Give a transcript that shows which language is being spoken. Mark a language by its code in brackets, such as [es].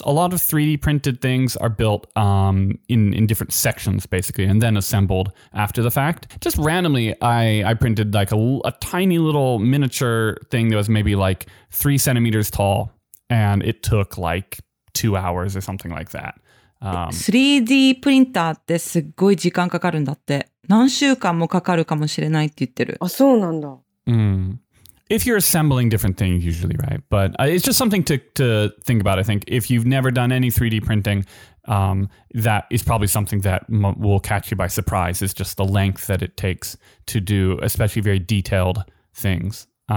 [en] A lot of 3D printed things are built in different sections, basically, and then assembled after the fact. Just randomly, I printed like a tiny little miniature thing that was maybe like 3 centimeters tall, and it took like 2 hours or something like that. [ja] 3D プリンターってすごい時間かかるんだって。何週間もかかるかもしれないって言ってる。あ、そうなんだ。 [en] If you're assembling different things, usually, right? But it's just something to think about, I think. If you've never done any 3D printing, that is probably something that will catch you by surprise. It's just the length that it takes to do, especially very detailed things.